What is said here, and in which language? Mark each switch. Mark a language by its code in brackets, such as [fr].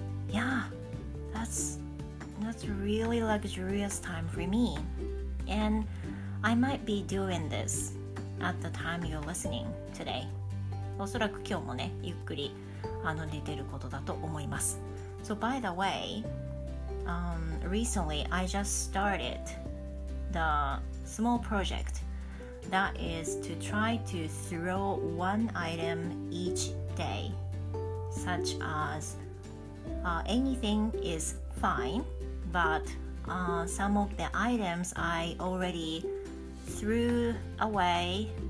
[en] Yeah, that's really luxurious time for me. And I might be doing this at the time you're listening today. [ja] おそらく今日もね、ゆっくり寝てることだと思います。 [en] So by the way, recently I just started... the small project that is to try to throw one item each day, such as anything is fine, but some of the items I already threw away